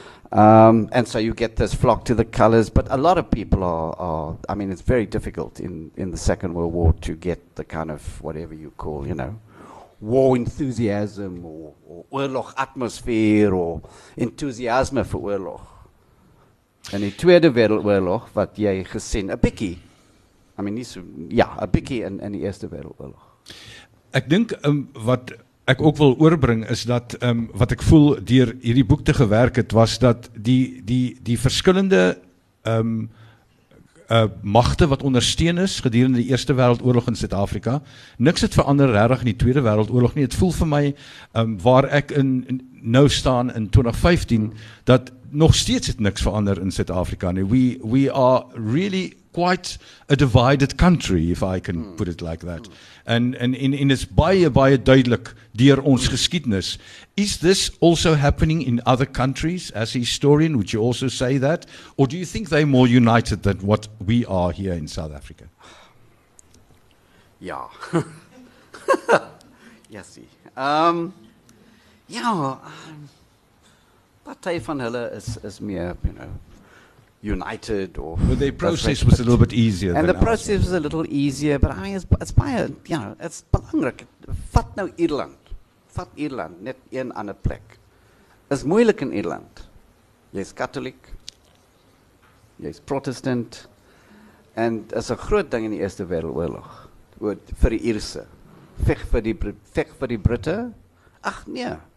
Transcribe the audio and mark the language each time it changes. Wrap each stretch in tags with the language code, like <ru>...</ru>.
<en>And so you get this flock to the colors, but a lot of people are, it's very difficult in the Second World War to get the kind of whatever you call, you know, war enthusiasm or oorlog atmosphere or enthousiasme for oorlog.</en> <af>En die Tweede Wêreldoorlog, wat jy gesien, 'n bietjie.</af> <en>I mean,</en> <af>nie so, ja, 'n bietjie in die Eerste Wêreldoorlog. Ek dink wat ek ook wil oorbring is dat wat ek voel deur hierdie boek te gewerk het, was dat die verskillende magte wat ondersteun is gedurende die Eerste Wêreldoorlog in Suid-Afrika, niks het verander regtig in die Tweede Wêreldoorlog nie. Dit voel vir my waar ek in nou staan in 2015 dat nog steeds het niks verander in Suid-Afrika nie.</af> <en>We are really quite a divided country, if I can put it like that. And it's</en> <af>baie, baie duidelik deur ons geskiedenis.</af> <en>Is this also happening in other countries? As a historian, would you also say that? Or do you think they're more united than what we are here in South Africa?</en> <af>Ja. Ja, see. Ja, partij van hulle is meer,</af> <en>you know, united or... Well, the process was a little bit easier. And the process was a little easier, but I mean, it's by a, you know, it's belangrijk.</en> <af>Vat nou Ierland. Vat Ierland, net een ander plek. Is moeilijk in Ierland. Jy is katholiek. Jy is protestant. En is een groot ding in die Eerste Wereldoorlog. Voor die Ierse. Vecht voor die Britte. Ach nee.</af>